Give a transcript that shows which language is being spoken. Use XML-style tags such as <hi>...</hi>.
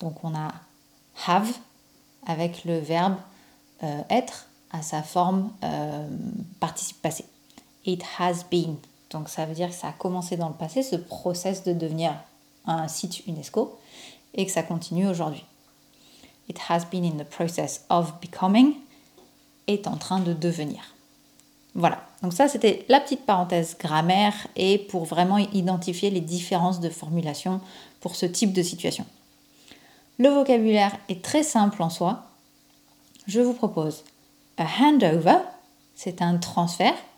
<fr>Donc, on a « have » avec le verbe « être » à sa forme « participe passé ».</fr> <en>It has been.</en> <fr>Donc ça veut dire que ça a commencé dans le passé, ce process de devenir un site UNESCO, et que ça continue aujourd'hui.</fr> <en>It has been in the process of becoming,</en> <fr>est en train de devenir. Voilà, donc ça c'était la petite parenthèse grammaire et pour vraiment identifier les différences de formulation pour ce type de situation. Le vocabulaire est très simple en soi. Je vous propose a handover, c'est un transfert.</fr>